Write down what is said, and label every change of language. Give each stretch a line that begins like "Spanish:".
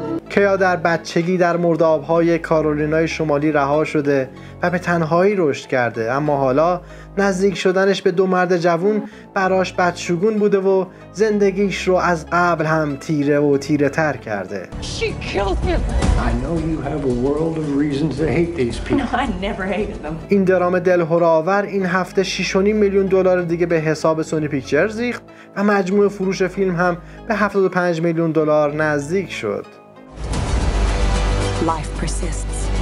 Persian: کیا در بچگی در مردابهای کارولینای شمالی رها شده و به تنهایی رشد کرده، اما حالا نزدیک شدنش به 2 مرد جوون براش بدشگون بوده و زندگیش رو از قبل هم تیره و تیره تر کرده.
English: She killed him. I know you have a world of reasons to hate these people. No, I never hated them.
Persian: این درام دلهره‌آور این هفته 6.5 میلیون دلار دیگه به حساب سونی پیکچرز ریخت و مجموع فروش فیلم هم به 75 میلیون دلار نزدیک شد.
English: Life persists.